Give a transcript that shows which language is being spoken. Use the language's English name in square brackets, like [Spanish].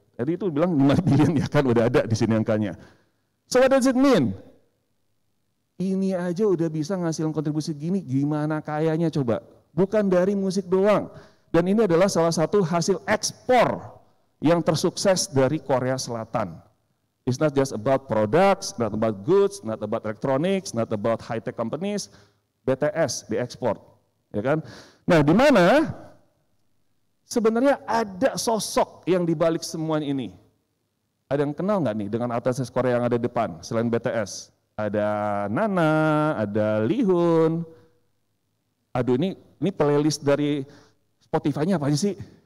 [Indonesian] Jadi itu bilang 5 billion ya kan, udah ada di sini angkanya. [English] So what does it mean? [Indonesian] Ini aja udah bisa ngasilin kontribusi gini, gimana kayanya coba? Bukan dari musik doang. Dan ini adalah salah satu hasil ekspor yang tersukses dari Korea Selatan. [English] It's not just about products, not about goods, not about electronics, not about high-tech companies. BTS, the export. [Indonesian] Ya kan? Nah, di mana sebenarnya ada sosok yang dibalik semuanya ini? Ada yang kenal nggak nih dengan artis Korea yang ada depan selain BTS? Ada Nana, ada Lee Hoon. Aduh, ini playlist dari Spotify-nya apa aja sih?